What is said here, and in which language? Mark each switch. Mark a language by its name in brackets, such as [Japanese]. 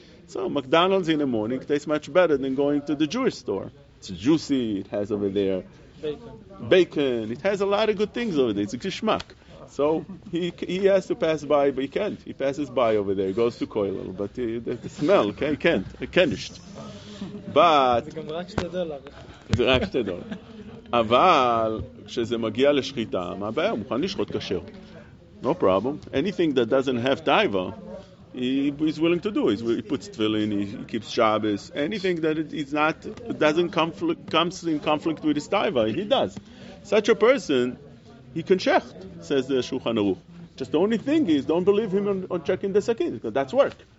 [English] So McDonald's in the morning tastes much better than going to the Jewish store. It's juicy, it has over there bacon. It has a lot of good things over there. It's a geschmack. So he has to pass by, but he can't. He passes by over there. He goes to coil a little, but the smell, okay, he can't. He can't. But... [Hebrew] זה גם רק שתי דולר. זה רק שתי דולר. אבל כשזה מגיע לשחיטה, מה הבעיה? הוא מוכן לשחוט כשר. [English] No problem. Anything that doesn't have taiva, he's willing to do. He puts tefillin, he keeps Shabbos. Anything that is not doesn't comes in conflict with his taiva, he does. Such a person... He can check, says the Shulchan Aruch. Just the only thing is, don't believe him on checking the sakin, because that's work.